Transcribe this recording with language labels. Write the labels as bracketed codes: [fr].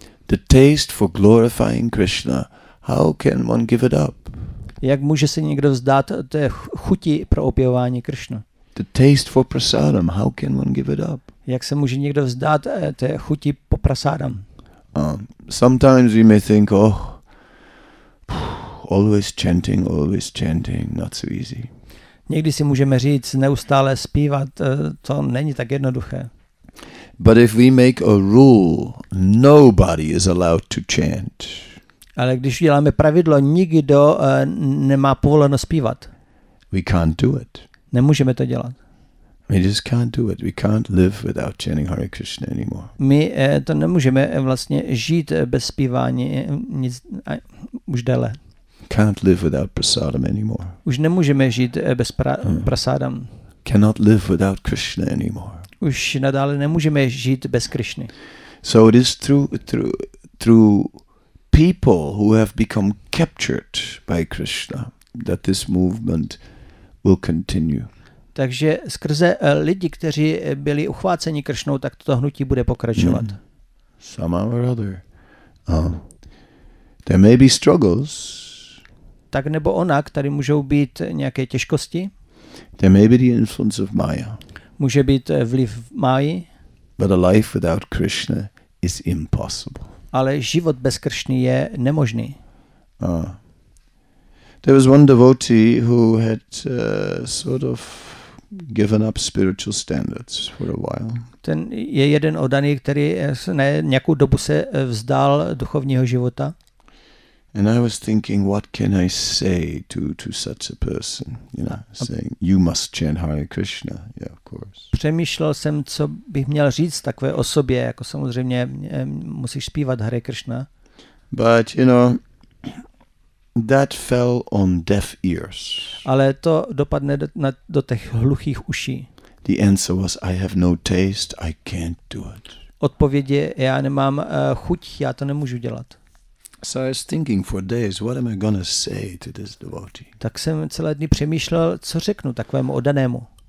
[en] The taste for glorifying Krishna, how can one give it up? [cs] Jak může se někdo vzdát té chuti pro opěvování Krishna? [en] The taste for prasadam, how can one give it up? [cs] Jak se může někdo vzdát té chuti po prasadam? [en] Sometimes we may think, oh, always chanting, not so easy. [cs] Někdy si můžeme říct, neustále zpívat, to není tak jednoduché. [en] But if we make a rule, nobody is allowed to chant. [cs] Ale když uděláme pravidlo, nikdo nemá povoleno zpívat. [en] We can't do it. [cs] Nemůžeme to dělat. [en] We just can't do it. We can't live without chanting Hare Krishna anymore. [cs] My to nemůžeme vlastně žít bez zpívání nic, už déle. [en] Can't live without prasadam anymore. [cs] Už nemůžeme žít bez prasadam. [en] Cannot live without Krishna anymore. [cs] Už nadále nemůžeme žít bez Krishny. [en] So it is through people who have become captured by Krishna that this movement will continue. [cs] Takže skrze lidi, kteří byli uchváceni Krishnou, tak toto hnutí bude pokračovat. [en] Somehow or other. There may be struggles. [cs] Tak nebo onak, tady můžou být nějaké těžkosti. [en] There may be the influence of Maya. [cs] Může být vliv Máji. [en] But a life without Krishna is impossible. [cs] Ale život bez Krishny je nemožný. [en] There was one devotee who had sort of given up spiritual standards for a while. [cs] Ten je jeden odaný, který na nějakou dobu se vzdal duchovního života. [en] And I was thinking, what can I say to such a person? You know, saying you must chant Hare Krishna. Yeah, of course. [cs] Přemýšlel jsem, co bych měl říct takové osobě, jako samozřejmě musíš zpívat Hare Krishna. [en] But you know, that fell on deaf ears. [cs] Ale to dopadne do těch hluchých uší. [en] The answer was, I have no taste. I can't do it. [cs] Odpověď je, já nemám chuť, já to nemůžu dělat. [en] So I was thinking for days, what am I gonna say to this devotee? [cs] Tak jsem celé dny přemýšlel, co řeknu takovému oddanému.